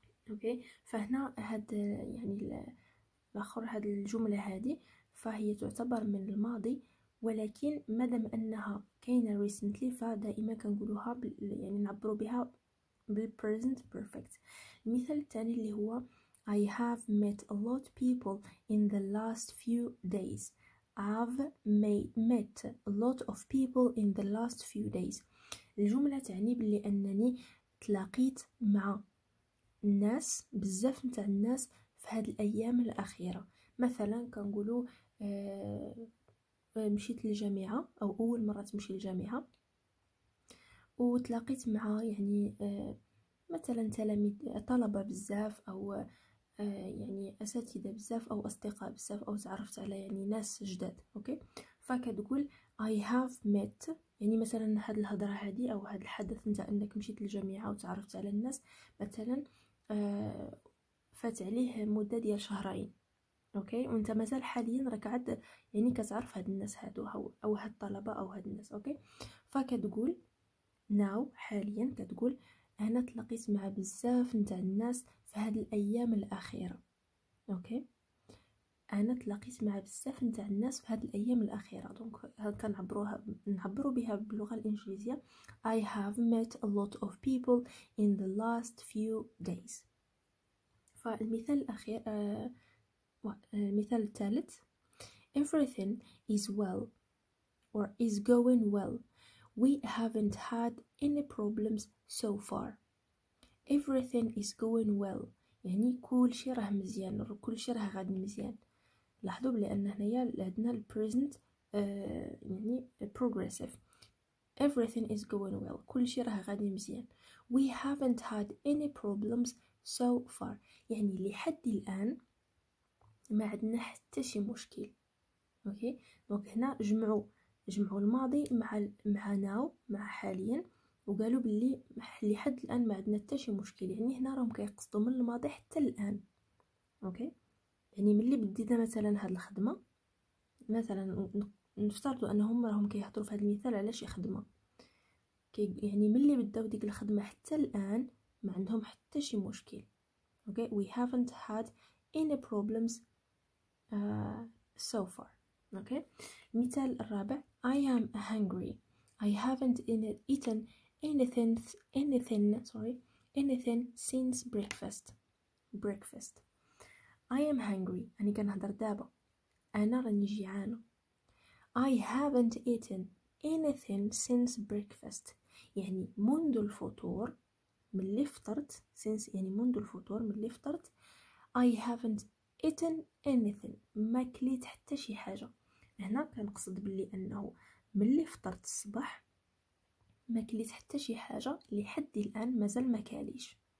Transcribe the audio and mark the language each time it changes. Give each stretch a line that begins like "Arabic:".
Arabic: اوكي، فهنا هاد يعني الاخر هاد الجمله هذه فهي تعتبر من الماضي، ولكن مادام انها كاينه ريسنتلي فدائما كنقولوها يعني نعبروا بها بالبريزنت بيرفكت. المثال الثاني اللي هو
English: I have met a lot of people in the last few days. I've met a lot of people in the last few days.
Arabic: الجملة تعني بلي أنني تلاقيت مع الناس بزاف متاع الناس في هاد الأيام الأخيرة. مثلا كنقولو مشيت للجامعة أو أول مرة تمشي للجامعة وتلاقيت مع يعني مثلا تلاميذ طلبة بزاف أو يعني أساتذة بزاف أو أصدقاء بزاف أو تعرفت على يعني ناس جداد. أوكي، فكتقول
English: I have met،
Arabic: يعني مثلا هاد الهضرة هادي أو هاد الحدث نتا أنك مشيت للجامعة وتعرفت على الناس مثلا فات عليه مدة ديال شهرين. أوكي، وانت مازال حاليا راك عاد يعني كتعرف هاد الناس هادو أو هاد الطلبة أو هاد الناس. أوكي، فكتقول now حاليا كتقول هنا تلاقيت مع بزاف نتاع الناس في هاد الايام الاخيره. اوكي، انا تلاقيت مع بزاف نتاع الناس في هاد الايام الاخيره، دونك هكا نعبروا بها باللغه الانجليزيه.
English: I have met a lot of people in the last few days.
Arabic: فالمثال الاخير، المثال الثالث،
English: everything is well or is going well. We haven't had any problems so far. Everything is going well.
Arabic: يعني كل شيء راه مزيان، كل شيء راه غادي مزيان. لاحظوا بلي ان هنايا عندنا البريزنت يعني البروغريسيف.
English: Everything is going well.
Arabic: كل شيء راه غادي مزيان.
English: We haven't had any problems so far.
Arabic: يعني لحد الان ما عندنا حتى شي مشكل. اوكي، دونك هنا جمعوا الماضي مع ناو، مع حاليا، وقالوا باللي لحد الان ما عندنا حتى شي مشكل. يعني هنا راهم كيقصدوا من الماضي حتى الان. اوكي، يعني ملي بديت مثلا هاد الخدمه، مثلا نفترضوا انهم راهم كيهضروا في هاد المثال على شي خدمه، يعني ملي بداو ديك الخدمه حتى الان ما عندهم حتى شي مشكل.
English: Okay, we haven't had any problems so far.
Arabic: اوكي، المثال الرابع،
English: I am hungry. I haven't eaten anything since breakfast. Breakfast. I am hungry.
Arabic: أنا كنهضر دابا، أنا راني جيعانة.
English: I haven't eaten anything since breakfast.
Arabic: يعني منذ الفطور، ملي فطرت، since يعني منذ الفطور، ملي فطرت،
English: I haven't eaten anything.
Arabic: ما كليت حتى شي حاجة. هنا كنقصد باللي انه ملي فطرت الصباح ما كليت حتى شي حاجه، لحد الان مازال ما كاليش.